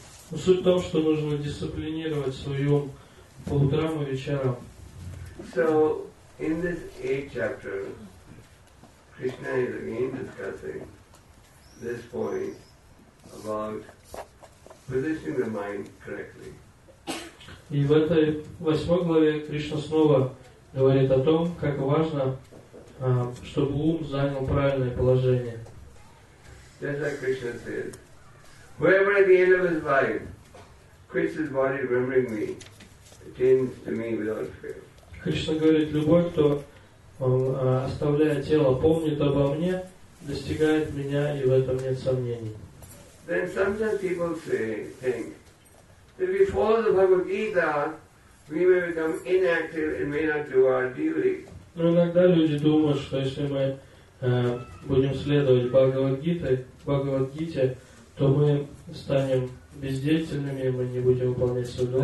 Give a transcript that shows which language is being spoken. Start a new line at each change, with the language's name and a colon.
Russian: Но суть в том, что нужно дисциплинировать свой ум по утрам и вечерам.
English: So, in this 8th chapter, Krishna is again discussing this point about positioning the mind correctly.
Russian: И в этой 8 главе Кришна снова говорит о том, как важно, чтобы ум занял правильное положение.
English: Just like Krishna said, whoever at the end of his life quits his body remembering me, attains to me without fail.
Russian: Кришна говорит, любой, кто оставляя тело, помнит обо мне, достигает меня, и в этом нет сомнений.
English: Then sometimes people say, think, if we follow the Bhagavad Gita, we may become inactive and may not do our duty.
Russian: Но иногда люди думают, что если мы будем следовать Бхагавад-гите, то мы станем бездеятельными, мы не будем выполнять свой долг.